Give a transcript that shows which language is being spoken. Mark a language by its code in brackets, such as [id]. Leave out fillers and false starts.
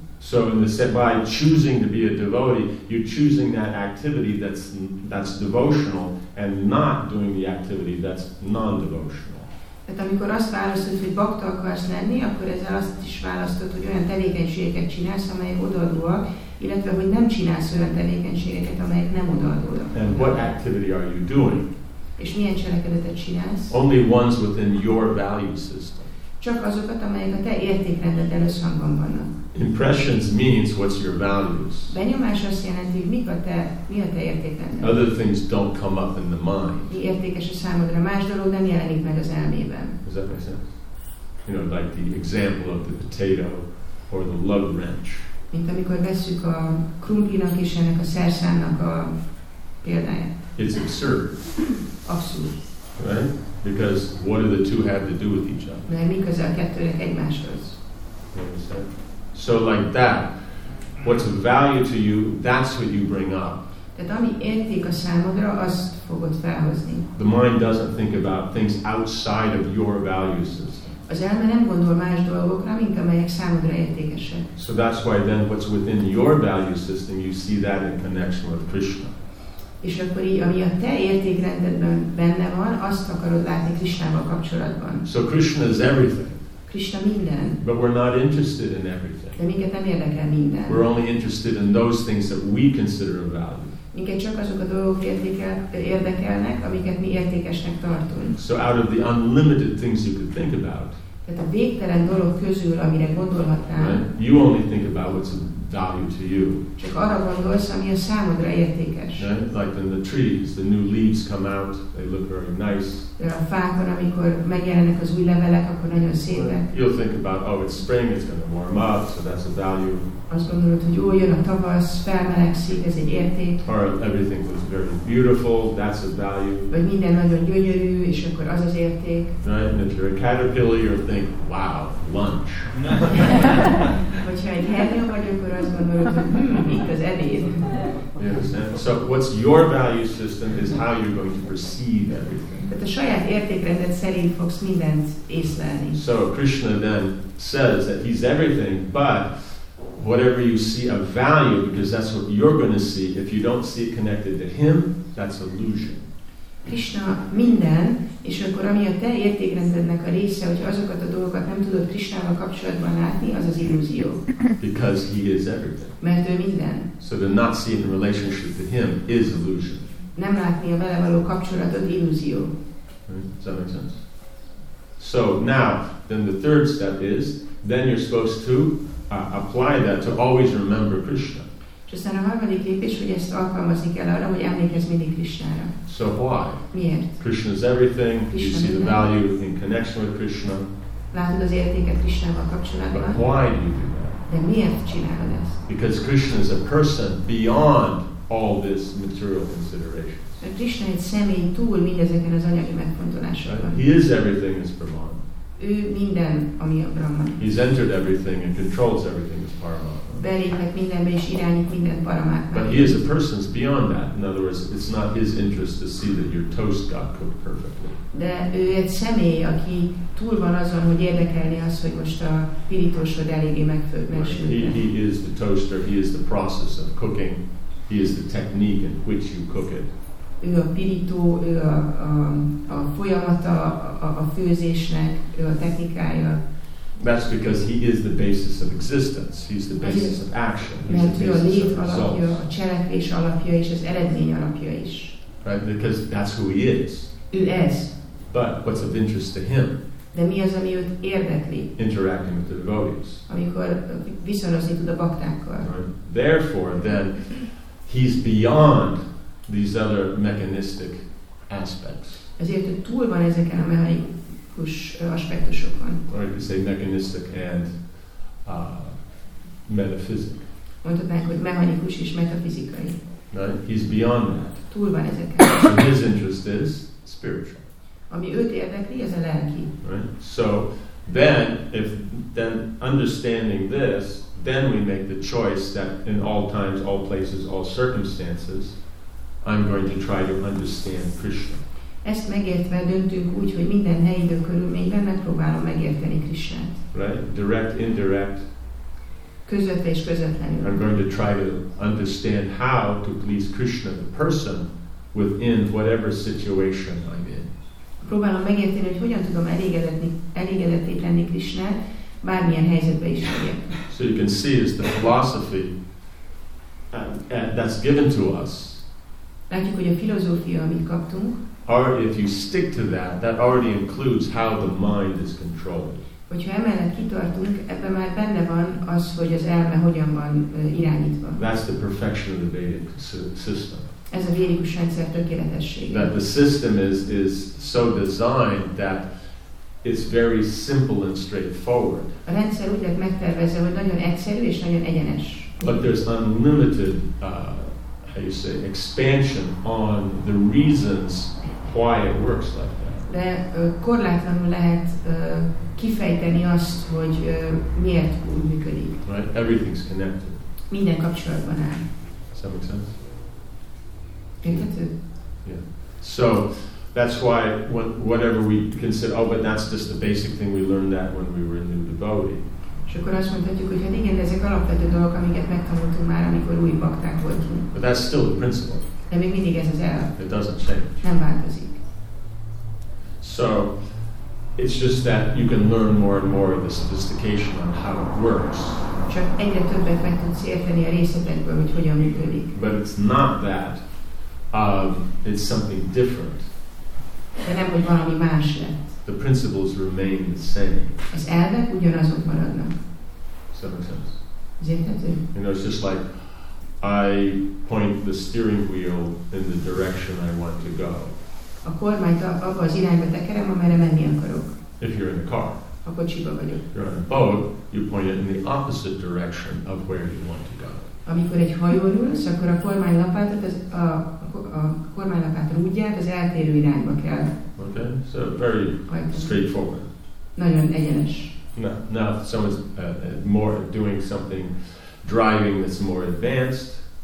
[en] So in the set, by choosing to be a devotee, you're choosing that activity that's devotional and not doing the activity that's non-devotional. [hu] Tehát amikor azt választod, hogy bakta akarsz lenni, akkor ezzel azt is választod, hogy olyan tevékenységeket csinálsz, amelyek odaadóak, illetve hogy nem csinálsz olyan tevékenységeket, amelyek nem odaadóak. [en] And what activity are you doing? [hu] És milyen cselekedetet csinálsz? [en] Only ones within your value system. [hu] Csak azokat, amelyek a te értékrendeddel összhangban vannak. [en] Impressions means what's your values. [hu] Benyomás azt jelenti, hogy mi a te értékrendet. [en] Other things don't come up in the mind. [hu] Mi értékes a számodra, más dolog nem jelenik meg az elmében. [en] Does that make sense? You know, like the example of the potato or the lug wrench. [hu] Mint amikor veszük a krumplinak és ennek a szerszámnak a példáját. [en] It's absurd. [hu] Abszurd. [en] Right? Because what do the two have to do with each other? [hu] Mert mi köze a kettőnek egymáshoz? [en] So like that, what's of value to you, that's what you bring up. [hu] Tehát ami érték a számodra, azt fogod felhozni. [en] The mind doesn't think about things outside of your value system. [hu] Az elme nem gondol más dolgokra, mint amelyek számodra értékesek. [en] So that's why then what's within your value system, you see that in connection with Krishna. [hu] És akkor így, ami a te értékrendedben benne van, azt akarod látni Krishnával kapcsolatban. [en] So Krishna is everything. [hu] Krishna minden. [en] But we're not interested in everything. [hu] De minket nem érdekel minden. [en] We're only interested in those things that we consider a value. [hu] Minket csak azok a dolgok érdekelnek, amiket mi értékesnek tartunk. [en] So out of the unlimited things you could think about. [hu] Tehát a végtelen dolog közül, amire gondolhatnál. [en] Right? You only think about what's value to you. [hu] Csak arra gondolsz, ami a számodra értékes. [en] Right? Like in the trees, the new leaves come out, they look very nice. [hu] De a fákon, amikor megjelennek az új levelek, akkor nagyon szépek. [en] You'll think about, oh, it's spring, it's going to warm up, so that's a value. [hu] Azt gondolod, hogy ó, jön a tavasz, felmelegszik, ez egy érték. [en] Or everything looks very beautiful, that's a value. [hu] Vagy minden nagyon gyönyörű, és akkor az az érték. [en] Right? And if you're a caterpillar, you'll think, wow, lunch. [hu] Hogyha egy hernyó vagy, akkor azt gondolod, hogy itt az ebéd. [en] So what's your value system is how you're going to perceive everything. [hu] Tehát a saját értékrendet szerint fogsz mindent észlelni. [en] So Krishna then says that he's everything, but whatever you see a value, because that's what you're going to see, if you don't see it connected to him, that's illusion. [hu] Krishna minden, és akkor ami a te értékrendednek a része, hogy azokat a dolgokat nem tudod Krishnával kapcsolatban látni, az az illúzió. [en] Because he is everything. [hu] Mert ő minden. [en] So to not see it in relationship to him is illusion. [hu] Nem látni a vele való kapcsolatot illúzió. [en] Does that make sense? So now, then the third step is, then you're supposed to apply that to always remember Krishna. [hu] Aztán a harmadik lépés, hogy ezt alkalmazni kell arra, hogy emlékezz mindig Krishnára. [en] So why? [hu] Miért? [en] Krishna is everything. Krishna you see [hu] minden. [en] The value in connection with Krishna. [hu] Látod az értéket Krishnával kapcsolatban. [en] But why do you do that? [hu] De miért csinálod ezt? [en] Because Krishna is a person beyond all this material consideration. [hu] Mert Krishna egy személy túl mindezeken az anyagi megfontolásokon. [en] He is everything as Brahman. [hu] Ő minden, ami a Brahman. [en] He's entered everything and controls everything as Paramatma. [hu] Beléphet mindenbe és irányít mindent Paramatma. [en] But he is a person beyond that. In other words, it's not his interest to see that your toast got cooked perfectly. [hu] De ő egy személy, aki túl van azon, hogy érdekelni az, hogy most a pirítósod eléggé megsült. [en] He is the toaster, he is the process of cooking, he is the technique in which you cook it. [hu] Ő a pirító, ő a folyamata a főzésnek, ő a technikája. [en] That's because he is the basis of existence. He's the basis of action. He's [hu] mert [en] the basis [hu] ő a lét alapja, a cselekvés alapja és az eredmény alapja is. [en] Right, because that's who he is. [hu] Ő ez. [en] But what's of interest to him? [hu] De mi az, ami őt érdekli? [en] Interacting with the devotees. [hu] Amikor viszonyozni tud a baktákkal. [en] Right. Therefore, then, he's beyond these other mechanistic aspects. [hu] Ezért túl van ezeken a mechanikus aspektusokon. [en] Or you could say mechanistic and metaphysic. [hu] Mondhatnánk, hogy mechanikus és metafizikai. [en] Right? He's beyond that. [hu] Túl van ezeken. [en] So his interest is spiritual. [hu] Ami őt érdekli, ez a lelki. [en] Right? So then, if then understanding this, then we make the choice that in all times, all places, all circumstances, I'm going to try to understand Krishna. [hu] Ezt megértve döntünk úgy, hogy minden helyi idő körülményben megpróbálom megérteni Krishnát. [en] Right? Direct, indirect. [hu] Közvetve és közvetlenül. [en] I'm going to try to understand how to please Krishna, the person, within whatever situation I'm in. [hu] Próbálom megérteni, hogy hogyan tudom elégedetté tenni Krishnát, bármilyen helyzetben is vagyok. [en] So you can see is the philosophy that's given to us [hu] Látjuk, hogy a filozófia, amit kaptunk, [en] already, if you stick to that, that already includes how the mind is controlled. [hu] Hogyha emellett kitartunk, ebben már benne van az, hogy az elme hogyan van irányítva. [en] That's the perfection of the Vedic system. [hu] Ez a védikus rendszer tökéletessége. [en] That the system is so designed that it's very simple and straightforward. [hu] A rendszer úgy lett megtervezve, hogy nagyon egyszerű és nagyon egyenes. [en] But there's unlimited, how you say, expansion on the reasons why it works like that. [hu] De korlátlanul lehet kifejteni azt, hogy miért úgy működik. [en] Right? Everything's connected. [hu] Minden kapcsolatban áll. [en] Does that make sense? [hu] Érthető? [en] Yeah. So that's why whatever we consider, oh, but that's just the basic thing we learned that when we were in New Devotee. [hu] És akkor azt mondhatjuk, hogy hát igen, de ezek alapvető dolgok, amiket megtanultunk már, amikor új bakták voltunk. [en] But that's still the principle. [hu] De még mindig ez az elv. [en] It doesn't change. [hu] Nem változik. [en] So, it's just that you can learn more and more of the sophistication on how it works. [hu] Csak egyre többet meg tudsz érteni a részletekből, hogy hogyan működik. [en] But it's not that. It's something different. [hu] De nem, hogy valami más lett. [en] The principles remain the same. [hu] Az elvek ugyanazok maradnak. [en] Does that make sense? [hu] Ez érthető? [en] You know, it's just like I point the steering wheel in the direction I want to go. [hu] A kormányt abba az irányba tekerem, amerre menni akarok. [en] If you're in a car. [hu] A kocsiba vagyok. [en] If you're on a boat, you point it in the opposite direction of where you want to go. [hu] Amikor egy hajón ülsz, akkor a kormánylapátot az a kormánylapát rúdját az eltérő irányba kell. [en] Okay, so very straightforward. [hu] Nagyon egyenes. [en] Now, if someone's more doing something, driving that's more advanced.